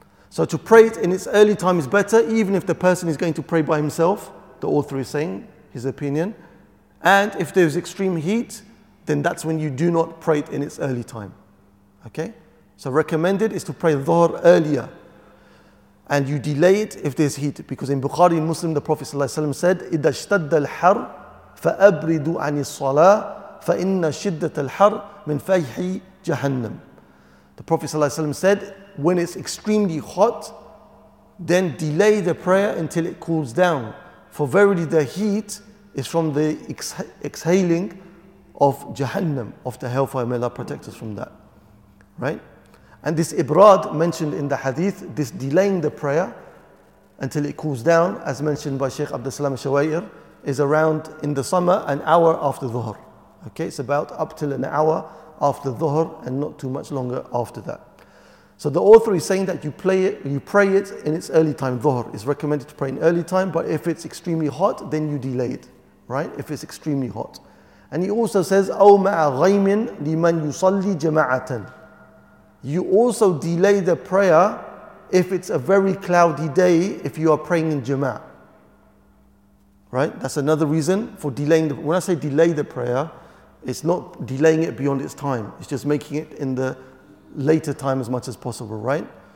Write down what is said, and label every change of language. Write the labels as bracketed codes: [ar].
[en] So to pray it in its early time is better, even if the person is going to pray by himself, the author is saying, his opinion. And if there's extreme heat, then that's when you do not pray it in its early time. Okay? So recommended is to pray dhuhr earlier. And you delay it if there's heat. Because in Bukhari, in Muslim, the Prophet ﷺ said, [ar] إِذَا اشْتَدَّ الْحَرْ فَأَبْرِدُ عَنِ الصَّلَاةِ فَإِنَّ شِدَّةَ الْحَرْ مِنْ فَيْحِ جَهَنَّمِ. [en] The Prophet ﷺ said, when it's extremely hot, then delay the prayer until it cools down. For verily the heat is from the exhaling of Jahannam, of the hellfire. May Allah protect us from that. Right? And this ibrad mentioned in the hadith, this delaying the prayer until it cools down, as mentioned by Shaykh Abdul Salam Shawair, is around in the summer an hour after dhuhr. Okay, it's about up till an hour after dhuhr and not too much longer after that. So the author is saying that you pray it in its early time, dhuhr. It's recommended to pray in early time, but if it's extremely hot, then you delay it, right? If it's extremely hot. And he also says, [ar] أَوْ مَعَ غَيْمٍ لِمَنْ يُصَلِّي جَمَعَةً. [en] You also delay the prayer if it's a very cloudy day, if you are praying in jama'ah. Right? That's another reason for delaying. When I say delay the prayer, it's not delaying it beyond its time. It's just making it in the later time as much as possible, right?